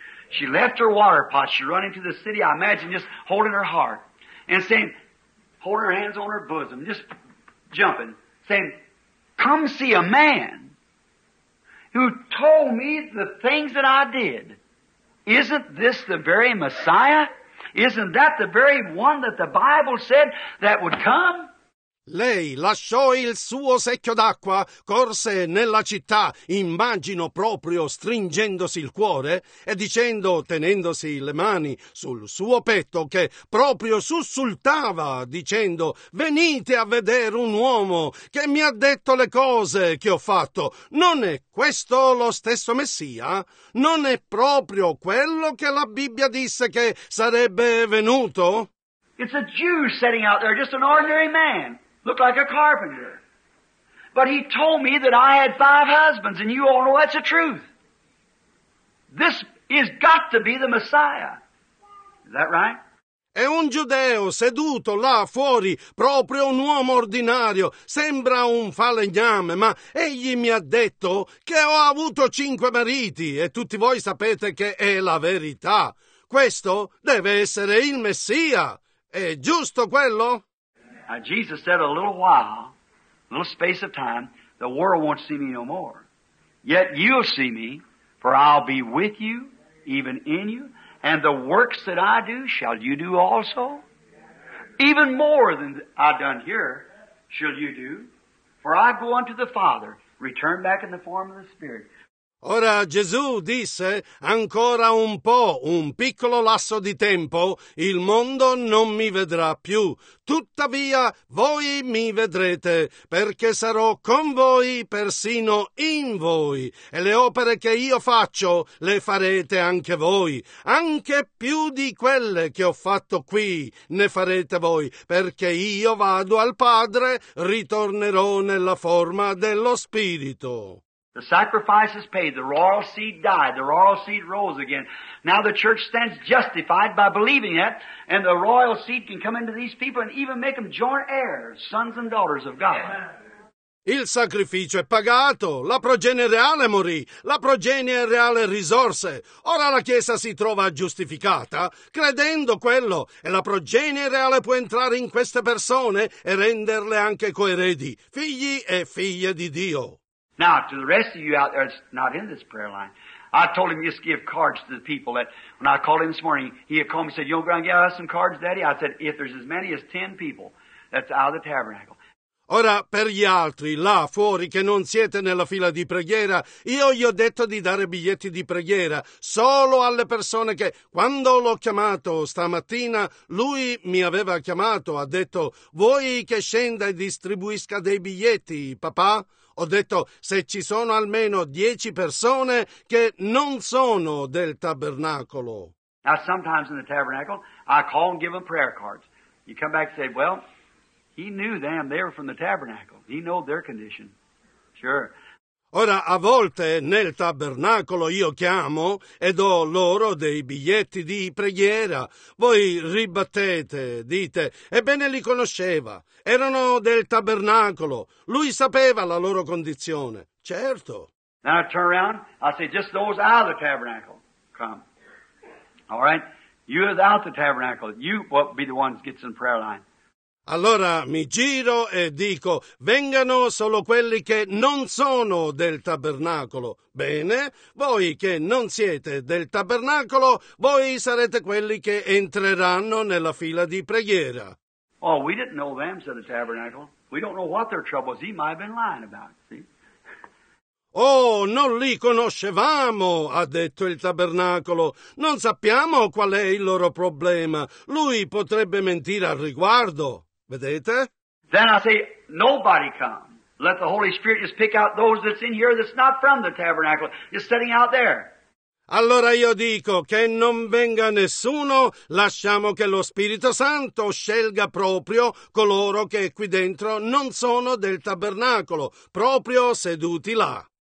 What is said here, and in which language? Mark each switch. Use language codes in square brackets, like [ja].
[en] She left her water pot, she ran into the city, I imagine, just holding her heart, and saying, holding her hands on her bosom, just jumping, saying, come see a man. Who told me the things that I did. Isn't this the very Messiah? Isn't that the very one that the Bible said that would come? [it] Lei lasciò il suo secchio d'acqua, corse nella città, immagino proprio stringendosi il cuore, e dicendo, tenendosi le mani sul suo petto, che proprio sussultava, dicendo, venite a vedere un uomo che mi ha detto le cose che ho fatto. Non è questo lo stesso Messia? Non è proprio quello che la Bibbia disse che sarebbe venuto? [en] It's a Jew sitting out there, just an ordinary man. Looked like a carpenter. But he told me that I had five husbands, and you all know that's the truth. This is got to be the Messiah. Is that right? [it] È un giudeo seduto là fuori, proprio un uomo ordinario, sembra un falegname, ma egli mi ha detto che ho avuto cinque mariti, e tutti voi sapete che è la verità. questo deve essere il Messia. È giusto quello? [en] Now, Jesus said a little while, a little space of time, the world won't see me no more. Yet you'll see me, for I'll be with you, even in you, and the works that I do shall you do also. Even more than I've done here shall you do, for I go unto the Father, return back in the form of the Spirit. [it] Ora Gesù disse, ancora un po', un piccolo lasso di tempo, il mondo non mi vedrà più. Tuttavia voi mi vedrete, perché sarò con voi persino in voi. E le opere che io faccio le farete anche voi. Anche più di quelle che ho fatto qui ne farete voi, perché io vado al Padre, ritornerò nella forma dello Spirito. [en] The sacrifice is paid. The royal seed died. The royal seed rose again. Now the church stands justified by believing that, and the royal seed can come into these people and even make them joint heirs, sons and daughters of God. [it] Il sacrificio è pagato, la progenie reale morì, la progenie reale risorse. Ora la Chiesa si trova giustificata, credendo quello, e la progenie reale può entrare in queste persone e renderle anche coeredi, figli e figlie di Dio. [en] Now, to the rest of you out there that's not in this prayer line, I told him just give cards to the people that when I called him this morning, he had called me and said, you're going to give us some cards, Daddy? I said, if there's as many as 10 people, that's out of the tabernacle. [it] Ora, per gli altri, là fuori, che non siete nella fila di preghiera, io gli ho detto di dare biglietti di preghiera solo alle persone che, quando l'ho chiamato stamattina, lui mi aveva chiamato, ha detto, vuoi che scenda e distribuisca dei biglietti, papà? Ho detto, se ci sono almeno 10 persone che non sono del tabernacolo. [en] Now, sometimes in the tabernacle, I call and give them prayer cards. You come back and say, well, he knew them, they were from the tabernacle. He knew their condition. Sure. [it] Ora, a volte nel tabernacolo io chiamo e do loro dei biglietti di preghiera. Voi ribattete, dite, ebbene li conosceva, erano del tabernacolo, lui sapeva la loro condizione. Certo. [en] Now I turn around, I say, just those out of the tabernacle, come. All right? You without the tabernacle, you will be the ones gets in prayer line. [it] Allora mi giro e dico, vengano solo quelli che non sono del tabernacolo. Bene, voi che non siete del tabernacolo, voi sarete quelli che entreranno nella fila di preghiera. [en] Oh, we didn't know them, said the tabernacle. We don't know what their trouble is. He might have been lying about, see? [it] Oh, non li conoscevamo, ha detto il tabernacolo. Non sappiamo qual è il loro problema. Lui potrebbe mentire al riguardo. Vedete? [en] Then I say, nobody come. Let the Holy Spirit just pick out those that's in here that's not from the tabernacle. You're sitting out there. [it] Allora io dico che non venga nessuno, lasciamo che lo Spirito Santo scelga proprio coloro che qui dentro non sono del tabernacolo, proprio seduti là.